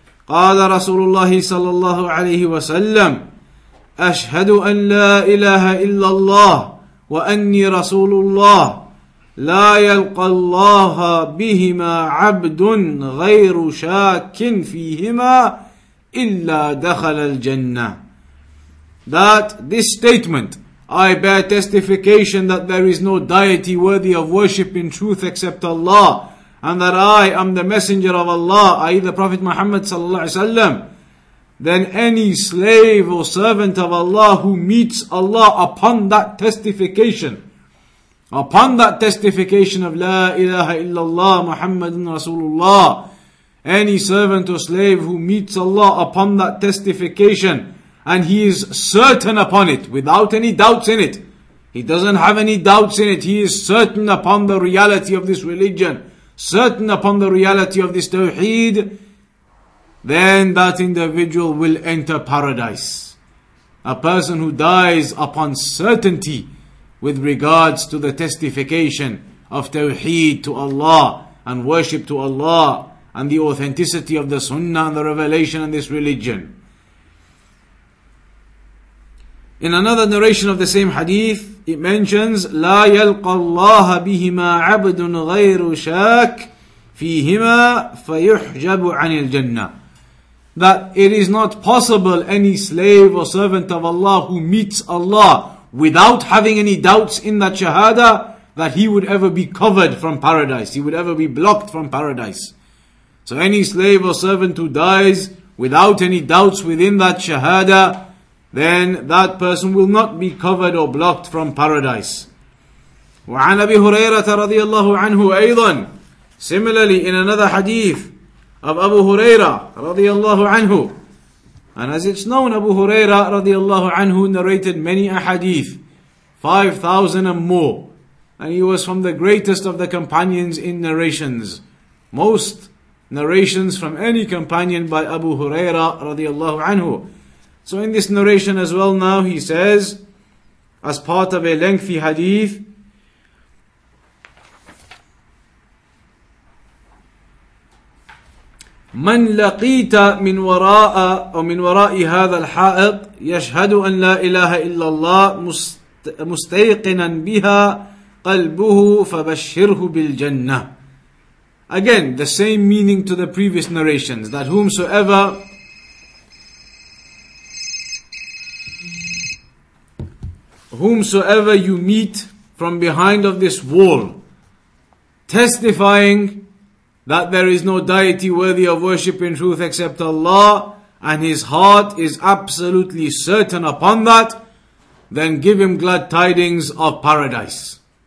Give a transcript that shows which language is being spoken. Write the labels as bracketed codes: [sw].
[ar] قال رسول الله صلى الله عليه وسلم أشهد أن لا إله إلا الله وأني رسول الله لا يلقى الله بهما عبد غير شاك فيهما إلا دخل الجنة. [en] That this statement, I bear testification that there is no deity worthy of worship in truth except Allah, and that I am the messenger of Allah, i.e. the Prophet Muhammad sallallahu alaihi wasallam, then any slave or servant of Allah who meets Allah upon that testification of La ilaha illallah Muhammadun Rasulullah, any servant or slave who meets Allah upon that testification, and he is certain upon it, without any doubts in it, he doesn't have any doubts in it, he is certain upon the reality of this religion, certain upon the reality of this tawheed, then that individual will enter paradise. A person who dies upon certainty with regards to the testification of tawheed to Allah and worship to Allah and the authenticity of the sunnah and the revelation and this religion. In another narration of the same hadith, it mentions, [ar] لا يلقى الله بهما عبد غير شاك فيهما فيحجب عن الجنة. [en] That it is not possible any slave or servant of Allah who meets Allah without having any doubts in that shahada, that he would ever be covered from paradise, he would ever be blocked from paradise. So any slave or servant who dies without any doubts within that shahada, then that person will not be covered or blocked from paradise. [ar] وعن أبي هريرة رضي الله عنه أيضا. [en] Similarly, in another hadith of Abu Huraira رضي الله عنه, and as it's known, Abu Huraira رضي الله عنه narrated many a hadith, 5,000 and more, and he was from the greatest of the companions in narrations, most narrations from any companion by Abu Huraira رضي الله عنه. So in this narration as well now, he says, as part of a lengthy hadith, [ar] من لقيت من وراء أو من وراء هذا الحائط يشهد أن لا إله إلا الله مستيقنا بها قلبه فبشره بالجنة. [en] Again, the same meaning to the previous narrations, that whomsoever you meet from behind of this wall, testifying that there is no deity worthy of worship in truth except Allah, and his heart is absolutely certain upon that, then give him glad tidings of paradise.